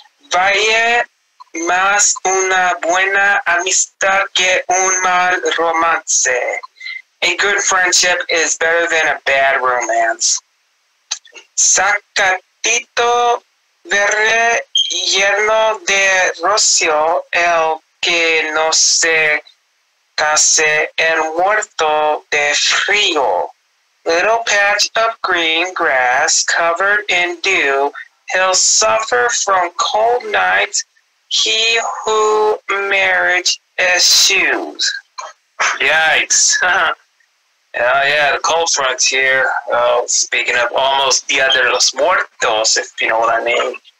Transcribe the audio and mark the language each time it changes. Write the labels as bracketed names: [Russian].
[Spanish] Vaya más una buena amistad que un mal romance. [English] A good friendship is better than a bad romance. [Spanish] Sacatito verde lleno de rocio, el que no se case en muerto de frío. [English] Little patch of green grass covered in dew, he'll suffer from cold nights, he who marriage eschews. Yikes. Oh, yeah, the cold front's here. Speaking of almost Dia de los Muertos, if you know what I mean.